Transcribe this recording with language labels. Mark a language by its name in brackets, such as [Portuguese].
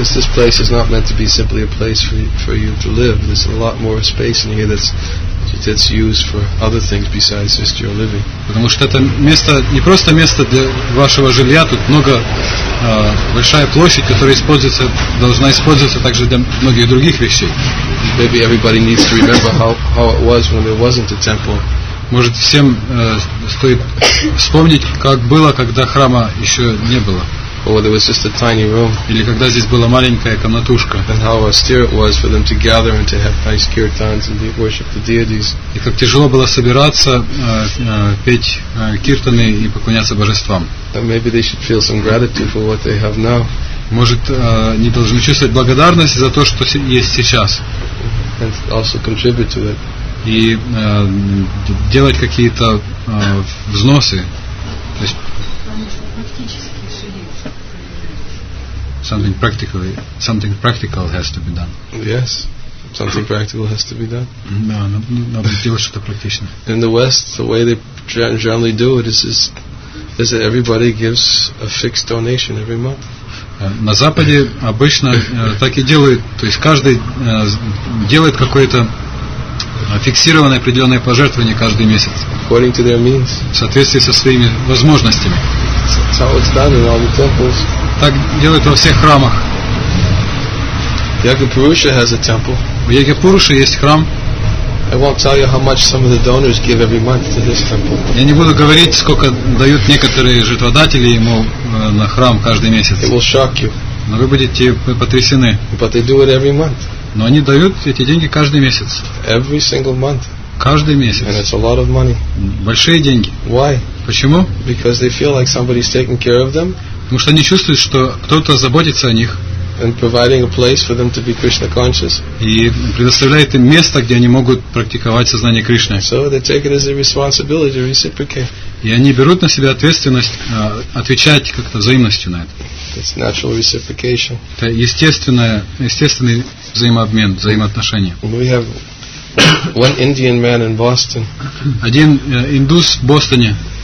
[English] Because this place is not meant to be simply a place for you to live. There's a lot more space in here that's used for other things besides just your living. [Russian] Потому что это место не просто место для вашего жилья, тут много большая площадь, которая используется, должна использоваться также для многих других вещей. [English] Maybe everybody needs to remember how it was when there wasn't a temple. [Russian] Может, всем стоит вспомнить, как было, когда храма еще не было. [English] Or there was just a tiny room. [Russian] Или когда здесь была маленькая комнатушка. [English] And how austere it was for them to gather and to have nice kirtans and worship the deities. [Russian] И как тяжело было собираться, петь киртаны и поклоняться божествам. [English] And maybe they should feel some gratitude for what they have now. [Russian] Может, они должны чувствовать благодарность за то, что есть сейчас. [English] And also contribute to it. [Russian] И делать какие-то взносы. То есть [English] something practical has to be done. Yes, something practical has to be done. [Russian] Надо делать что-то практичное. [English] In the West, the way they generally do it is that everybody gives a fixed donation every month. [Russian] На Западе обычно так и делают, то есть каждый делает какое-то фиксированное определенное пожертвование каждый месяц. [English] According to their means. [Russian] В соответствии со своими возможностями. [English] That's how it's done in all the temples. [Russian] Так делают во всех храмах. [English] Yagapurusha has a temple. [Russian] В Ягапуруше есть храм. [English] I won't tell you how much some of the donors give every month to this temple. [Russian] Я не буду говорить, сколько дают некоторые жертводатели ему на храм каждый месяц. [English] It will shock you. [Russian] Но вы будете потрясены. [English] But they do it every month. [Russian] Но они дают эти деньги каждый месяц. [English] Every single month. [Russian] Каждый месяц. [English] And it's a lot of money. [Russian] Большие деньги. [English] Why? [Russian] Почему? [English] Because they feel like somebody's taking care of them. [Russian] Потому что они чувствуют, что кто-то заботится о них. [English] And providing a place for them to be Krishna conscious. [Russian] И предоставляет им место, где они могут практиковать сознание Кришны. [English] So they take it as a responsibility to reciprocate. [Russian] И они берут на себя ответственность отвечать как-то взаимностью на это. [English] It's natural reciprocation. [Russian] Это естественный взаимообмен, взаимоотношения. [English] We have one Indian man in Boston. [Russian] Один индус в Бостоне.